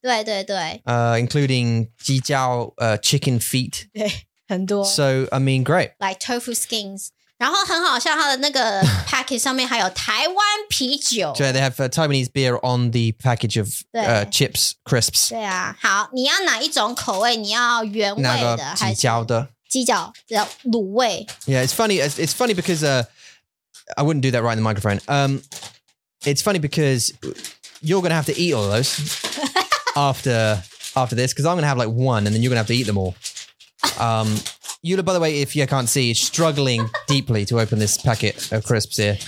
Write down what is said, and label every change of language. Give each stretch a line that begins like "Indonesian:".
Chinese: 对对对.
English: Including 鸡脚, chicken feet.
Chinese: 对，很多.
English: So I mean, great. Like tofu skins.
Chinese: 然后很好笑，它的那个 package 上面还有台湾啤酒。对，
English: they have Taiwanese beer on the package of chips, crisps.
Chinese: 对啊，好，你要哪一种口味？你要原味的还是鸡脚的？鸡脚的卤味。
English: Yeah, it's funny. It's funny because I wouldn't do that right in the microphone. It's funny because you're gonna have to eat all of those after this, because I'm gonna have like one, and then you're gonna have to eat them all. Yula, by the way, if you can't see, struggling deeply to open this packet of crisps here.